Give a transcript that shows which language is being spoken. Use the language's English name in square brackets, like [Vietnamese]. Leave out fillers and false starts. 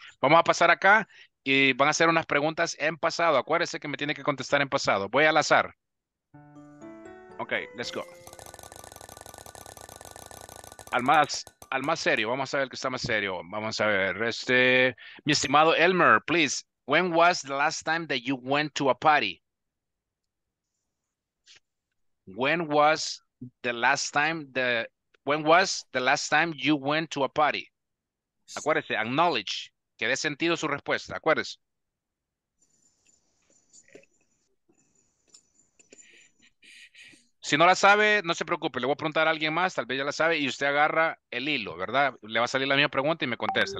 [Spanish] Vamos a pasar acá y van a hacer unas preguntas en pasado. Acuérdese que me tiene que contestar en pasado. Voy al azar. [English] Ok, let's go. [Spanish] Al más serio, vamos a ver que está más serio. Vamos a ver, mi estimado Elmer, please. [English] When was the last time that you went to a party? When was the last time you went to a party? [Spanish] Acuérdese, acknowledge, que dé sentido su respuesta, acuérdese. Si no la sabe, no se preocupe. Le voy a preguntar a alguien más. Tal vez ya la sabe. Y usted agarra el hilo, ¿verdad? Le va a salir la misma pregunta y me contesta.